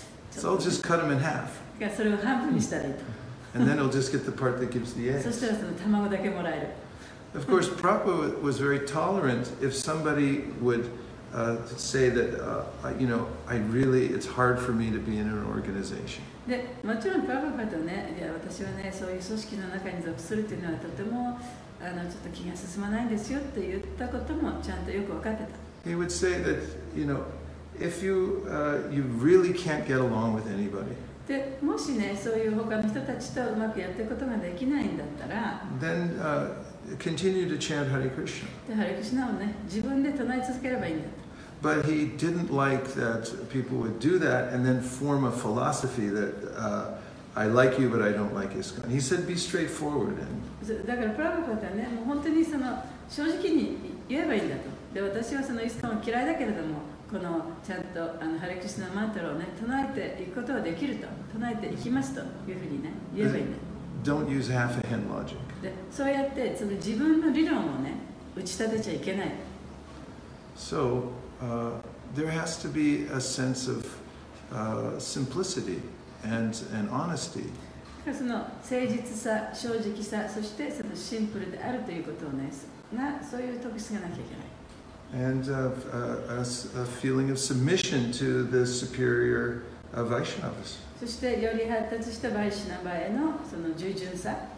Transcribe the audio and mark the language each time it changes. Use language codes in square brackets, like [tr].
[en] So I'll just cut them in half. And then I'll just get the part that gives the eggs. Of course, Prabhupada was very tolerant if somebody would say that, you know, I really, it's hard for me to be in an organization. [ja] でもちろんパパパとね、いや私はね、そういう組織の中に属するというのはとてもちょっと気が進まないんですよって言ったこともちゃんとよく分かってた。 [en] He would say that, you know, if you, you really can't get along with anybody, [ja] でもしね、そういう他の人たちとうまくやっていくことができないんだったら、 [en] then, continue to chant Hare Krishna. [ja] で、Hare Krishna をね、自分で唱え続ければいいんだ。 [en] But he didn't like that people would do that and then form a philosophy that I like you but I don't like ISKCON. He said be straightforward. And... [ja] だからプラバパタはね、もう本当にその正直に言えばいいんだと。で、私はそのISKCON嫌いだけれども、このちゃんとハレクリシュナマントラをね、唱えていくことはできると。唱えていきますというふうにね、言えばいいんだ。 [en] Don't use half a hen logic. [ja] で、そうやってその自分の理論をね、打ち立てちゃいけない。 [en] So,there has to be a sense of simplicity and honesty. [ja] その誠実さ、正直さ、そしてそのシンプルであるということをね、がそういう特質がなきゃいけない。 [en] And a feeling of submission to the superior Vaishnavas. [ja] そしてより発達したバイシナバへのその従順さ。